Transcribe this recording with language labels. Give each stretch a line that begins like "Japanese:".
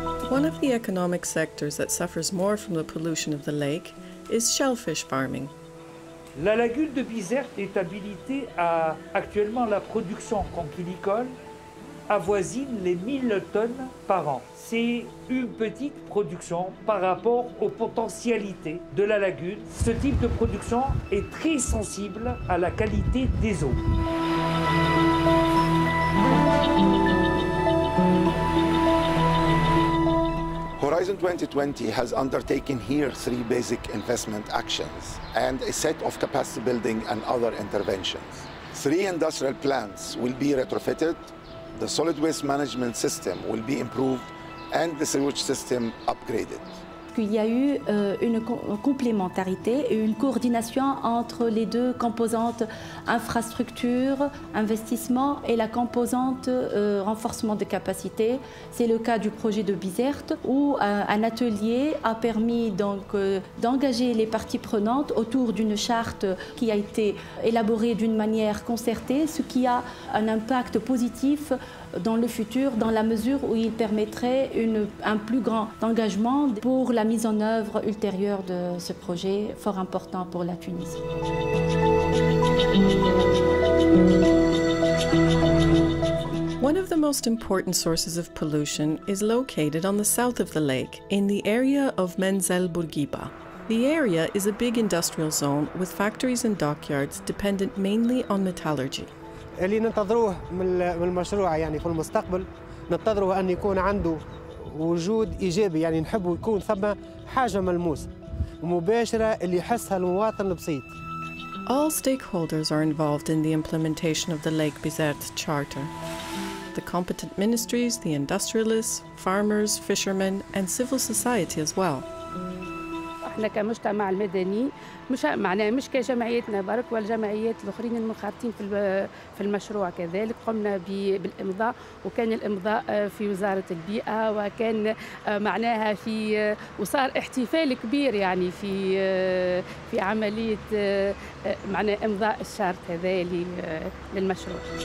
English: One of the economic sectors that suffers more from the pollution of the lake is shellfish farming.
French: La lagune de Bizerte est habilitée à actuellement la production conchylicole avoisine les 1000 tonnes par an. C'est une petite production par rapport aux potentialités de la lagune. Ce type de production est très sensible à la qualité des eaux.
English: Horizon 2020 has undertaken here three basic investment actions and a set of capacity building and other interventions. Three industrial plants will be retrofitted, the solid waste management system will be improved, and the sewage system upgraded.
French: Il y a eu une complémentarité et une coordination entre les deux composantes infrastructure, investissement et la composante renforcement de capacité. C'est le cas du projet de Bizerte où un atelier a permis donc d'engager les parties prenantes autour d'une charte qui a été élaborée d'une manière concertée, ce qui a un impact positif dans le futur, dans la mesure où il permettrait un plus grand engagement pour la mise en œuvre ultérieure de ce projet fort important pour la Tunisie.
English: One of the most important sources of pollution is located on the south of the lake, in the area of Menzel Bourguiba. The area is a big industrial zone with factories and dockyards dependent mainly on metallurgy.
Arabic: اللي ننتظروه من المشروع يعني في المستقبل ننتظروه أن يكون عنده وجود إيجابي يعني نحبه يكون ثم حاجة ملموسة مباشرة اللي يحسها المواطن البسيط.
English: All stakeholders are involved in the implementation of the Lake Bizerte Charter. The competent ministries, the industrialists, farmers, fishermen and civil society as well.
Arabic: احنا كمجتمع المدني مش معناه مش كجمعيتنا برك والجمعيات الاخرين المخاطين في المشروع كذلك قمنا بالامضاء وكان الامضاء في وزارة البيئة وكان معناها في وصار احتفال كبير يعني في عملية معنى امضاء الشارت هذا للمشروع.